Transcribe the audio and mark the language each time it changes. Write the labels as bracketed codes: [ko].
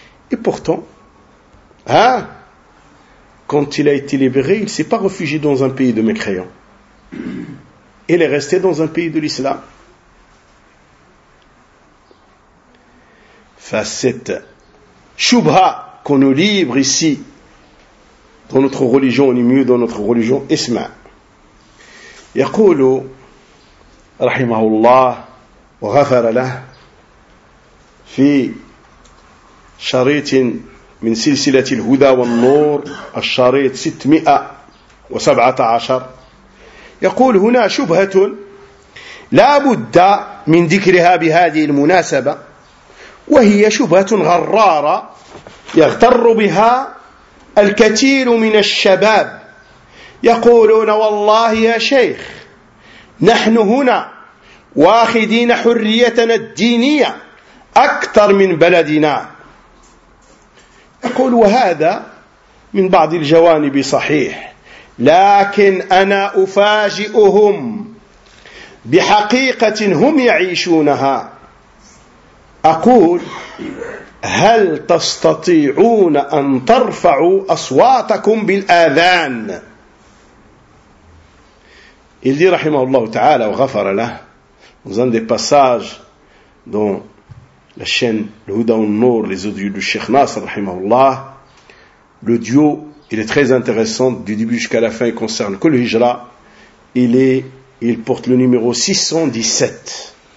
[fr] Et pourtant, hein, quand il a été libéré, il ne s'est pas réfugié dans un pays de mécréants. Il est resté dans un pays de l'islam. Face à cette choubha qu'on nous livre ici, dans notre religion, on est mieux dans notre religion, Isma. [ar] Yaqulu, rahimahullah, وغفر له في شريط من سلسلة الهدى والنور الشريط 617 يقول هنا شبهة لا بد من ذكرها بهذه المناسبة وهي شبهة غرارة يغتر بها الكثير من الشباب يقولون والله يا شيخ نحن هنا واخذين حريتنا الدينية أكثر من بلدنا يقول وهذا من بعض الجوانب صحيح، لكن أنا أفاجئهم بحقيقة هم يعيشونها. أقول: هل تستطيعون أن ترفعوا أصواتكم بالآذان؟ [fr] Il dit, rahimahullah ta'ala, wa ghafara lah, dans un des passages dans la chaîne Le Houda ou Nour, les audios du Cheikh Nasr, rahimahullah, le duo, il est très intéressant, du début jusqu'à la fin, il concerne que le Hijra, il porte le numéro 617.